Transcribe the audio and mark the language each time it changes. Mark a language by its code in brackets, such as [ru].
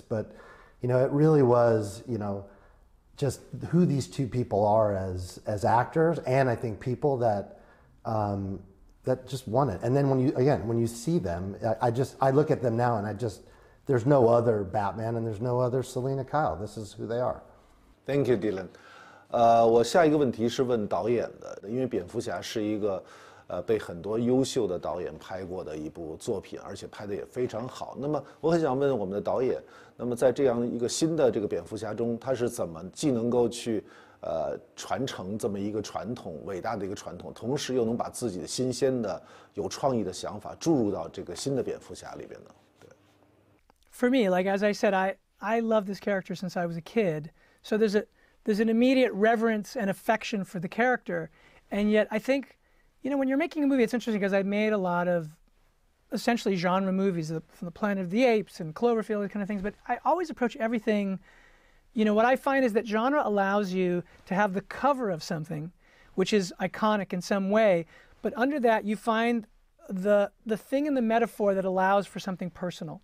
[en] But you know, it really was, you know, just who these two people are as actors, and I think people that that just want it. And then when you see them, I look at them now, and there's no other Batman, and there's no other Selina Kyle. This is who they are. Thank you, Dylan. [zh] 我下一个问题是问导演的，因为蝙蝠侠是一个被很多优秀的导演拍过的一部作品，而且拍得也非常好。那么我很想问我们的导演，那么在这样一个新的这个蝙蝠侠中，他是怎么既能够去传承这么一个传统，伟大的一个传统，同时又能把自己的新鲜的有创意的想法注入到这个新的蝙蝠侠里边呢？对。 [en] For me, like as I said, I love this character since I was a kid. So there's an immediate reverence and affection for the character. And yet I think, you know, when you're making a movie, it's interesting because I made a lot of essentially genre movies from the Planet of the Apes and Cloverfield kind of things, but I always approach everything, you know, what I find is that genre allows you to have the cover of something, which is iconic in some way, but under that you find the thing in the metaphor that allows for something personal.